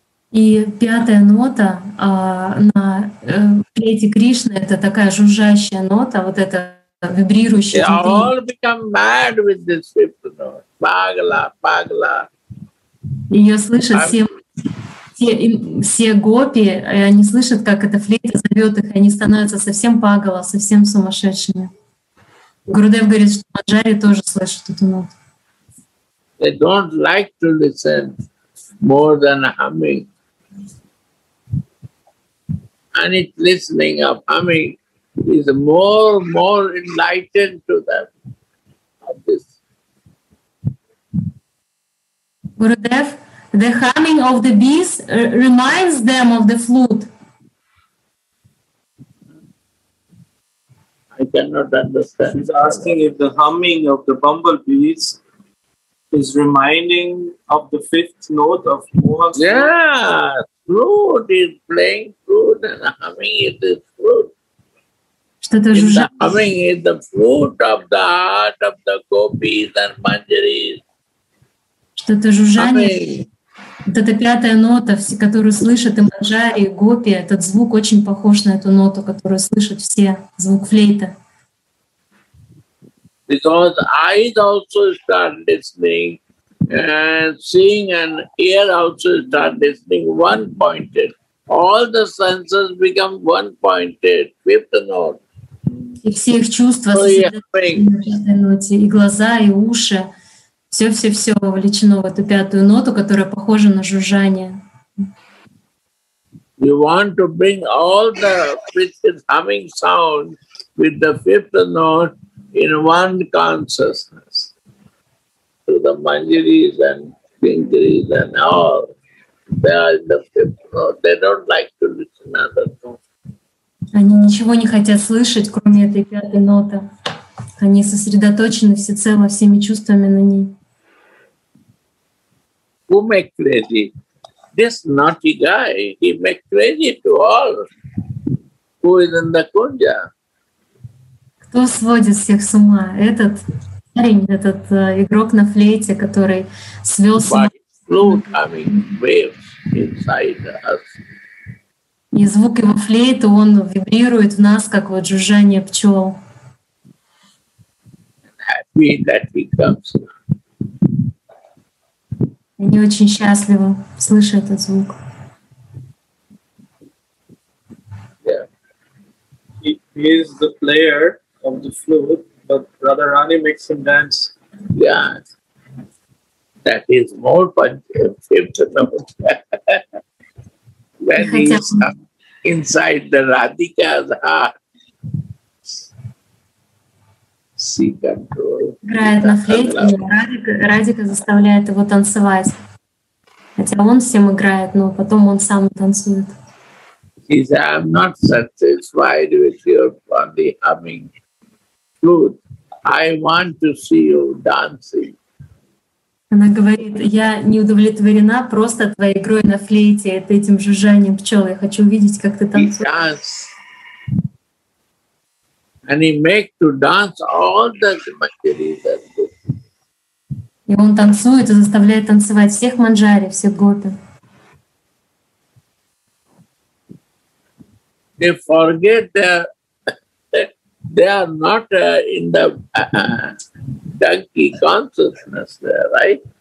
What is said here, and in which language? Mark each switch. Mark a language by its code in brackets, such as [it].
[ru] И пятая нота на флейте Кришны — это такая жужжащая нота, вот эта вибрирующая. [en] They all become mad with this fifth note. Pagla, pagla. [ru] Ее слышат все, все гопи, они слышат, как эта флейта зовет их, и они становятся совсем пагала, совсем сумасшедшими. Гурудев говорит, что Маджари тоже слышит эту ноту. [en] They don't like to listen more than humming. And it listening of humming is more enlightened to them. Gurudev, the humming of the bees reminds them of the flute. I cannot understand. She's asking if the humming of the bumblebees is reminding of the fifth note of Mohan's. Yeah, flute is playing flute and humming is the flute. The humming is the flute of the heart of the gopis and manjaris. [ru] Что это жужжание, вот эта пятая нота, которую слышат и Маджари, и гопи, этот звук очень похож на эту ноту, которую слышат все, звук флейта. [en] Because eyes also start listening, and seeing and ear also start listening one-pointed. All the senses become one-pointed, fifth note. [ru] И все их чувства сосредоточены на ноте, и глаза, и уши. Все-все-все вовлечено в эту пятую ноту, которая похожа на жужжание. [en] You want to bring all the fifth humming sound with the fifth note in one consciousness to the manjaris and pingaris and all. They are in the fifth note. They don't like to listen to other notes. [ru] Они ничего не хотят слышать, кроме этой пятой ноты. Они сосредоточены всецело всеми чувствами на ней. [en] Who make crazy? This naughty guy, he make crazy to all who is in the kunja. [ru] Кто сводит всех с ума? Этот парень, этот игрок на флейте, который свел с ума. [en] By flute, I mean, waves inside us. [ru] И звук его флейта, он вибрирует в нас, как вот жужжание пчел. [en] Happy that he comes. [ru] Они очень счастливы, слыша этот звук. [en] Yeah. He is the player of the flute, but Radharani makes him dance. Yeah. That is more fun to know. When he is inside the Radhika's heart. [ru] Играет на флейте, и Радика заставляет его танцевать. Хотя он всем играет, но потом он сам танцует. [en] He says, I'm not satisfied with your body humming. Flute, I want to see you dancing. [ru] Она говорит, я не удовлетворена просто твоей игрой на флейте, этим жужжанием пчел. Я хочу увидеть, как ты танцуешь. [en] And he makes to dance all the manjaris. [ru] И он танцует и заставляет танцевать всех манджари, всех гопи. [en] They forget they are not in the donkey consciousness there, right?